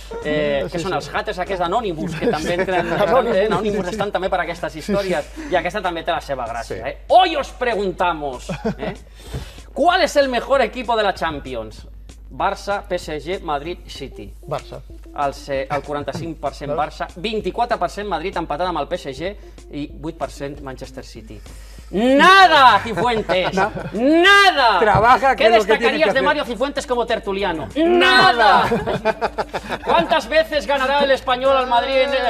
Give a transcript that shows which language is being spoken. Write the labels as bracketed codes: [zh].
[ca] Que són els haters aquests d'Anonymous, que també entren... Anonymous estan també per aquestes històries. I aquesta també té la seva gràcia. [es] Hoy os preguntamos, ¿cuál es el mejor equipo de la Champions? Barça, PSG, Madrid, City. Barça. [ca] El 45% Barça, 24% Madrid empatat amb el PSG i 8% Manchester City. [es] ¡Nada, Cifuentes! No. ¡Nada! Trabaja, ¿qué destacarías de Mario Cifuentes como tertuliano? ¡Nada! ¿Cuántas veces ganará el Español al Madrid?